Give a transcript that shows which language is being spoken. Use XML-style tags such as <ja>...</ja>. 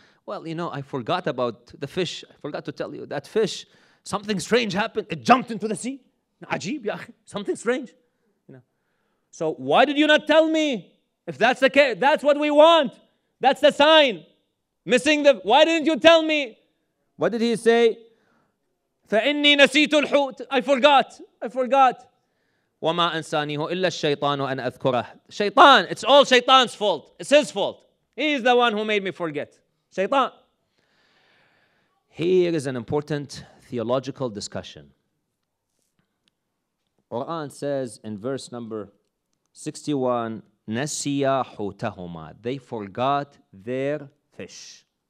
<en>Well, you know, I forgot about the fish. I forgot to tell you that fish. Something strange happened. It jumped into the sea. Ajib, ya, something strange. You know. So why did you not tell me? If that's the case, that's what we want. That's the sign. Missing the, why didn't you tell me? What did he say?</en> <ar>فَإِنِّي نَسِيتُ الْحُوتِ</ar> <en>I forgot.</en> <ar>وَمَا أَنْسَانِيهُ إِلَّا الشَّيْطَانُ أَنْ أَذْكُرَهُ</ar> <en>Shaytan, it's all Shaytan's fault. It's his fault. He's the one who made me forget. Shaytan. Here is an important theological discussion. Quran says in verse number 61,</en> <ar>نَسِيَا حُوتَهُمَا</ar> <en>They forgot their fish.</en>